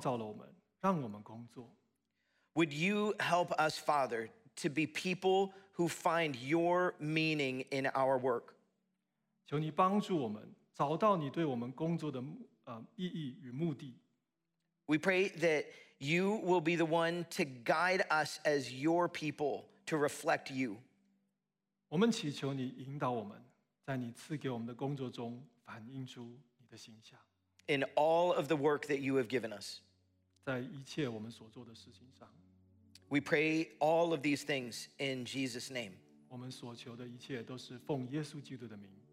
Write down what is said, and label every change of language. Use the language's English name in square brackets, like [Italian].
[Chinese] 你按照你的形象创造了我们，让我们工作。 [English] Would you help us, Father, to be people who find your meaning in our work? [Chinese] 求你帮助我们，找到你对我们工作的意义与目的。 [English] We pray that you will be the one to guide us as your people to reflect you. [Chinese] 我们祈求你引导我们，在你赐给我们的工作中反映出你的形象。 [English] In all of the work that you have given us. [Chinese] 在一切我们所做的事情上。 [English] We pray all of these things in Jesus' name. [Chinese] 我们所求的一切都是奉耶稣基督的名。